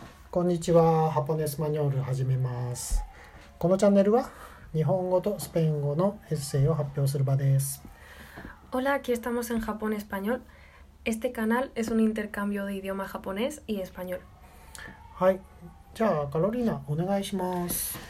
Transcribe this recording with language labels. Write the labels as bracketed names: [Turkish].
[Japanese] こんにちは、ハポネスマニュアル始めます。このチャンネルは日本語とスペイン語のエッセイを発表する場です。 [Spanish] Hola, aquí estamos en Japón Español. Este canal es un intercambio de idioma japonés y español. [Japanese] はい、じゃあカロリーナお願いします。